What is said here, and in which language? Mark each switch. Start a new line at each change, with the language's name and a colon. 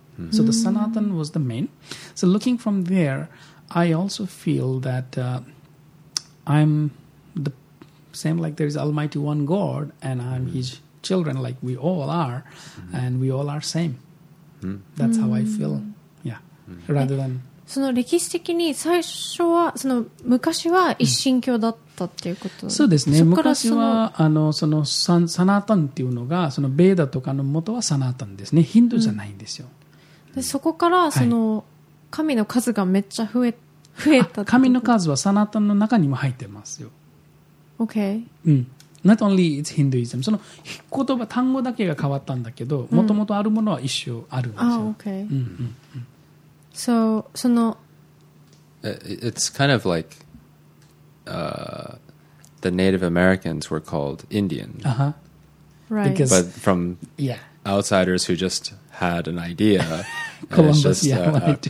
English: So the Sanatan was the main. So looking from there, I also feel that I'm the same, like there is Almighty One God, and I'm His children, like we all are, and we all are same. That's how I feel. Yeah. Rather than
Japanese: その歴史的に最初はその昔は一神教だったっていうこと。そうですね。昔はあのそのサナタンっていうのがそのベーダとかの元はサナタンですね。ヒンドゥじゃないんですよ。でそこからその神の数がめっちゃ増えた。神の数はサナタンの中にも入ってますよ。
English: Okay. Not only it's Hinduism.
Japanese: その言葉単語だけが変わったんだけど、元々あるものは一緒あるんですよ。
English: Okay. So,
Japanese: その
English: It's kind of like the Native Americans were called Indian. Right. Because, but from outsiders who just had an idea. Columbus, it's just a